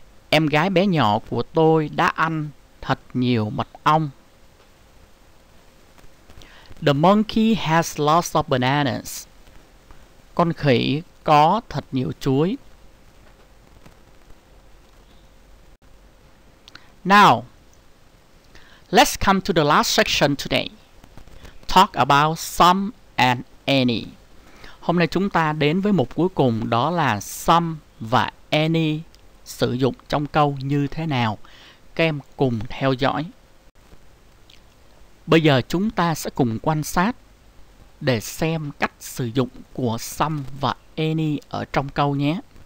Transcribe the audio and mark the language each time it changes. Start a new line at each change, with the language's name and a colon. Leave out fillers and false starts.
Vietnamese: Em gái bé nhỏ của tôi đã ăn thật nhiều mật ong.
English: The monkey has lots of bananas.
Vietnamese: Con khỉ có thật nhiều chuối.
English: Now, let's come to the last section today. Talk about some and any.
Vietnamese: Hôm nay chúng ta đến với mục cuối cùng, đó là some và any sử dụng trong câu như thế nào. Các em cùng theo dõi. Bây giờ chúng ta sẽ cùng quan sát để xem cách sử dụng của some và any ở trong câu nhé.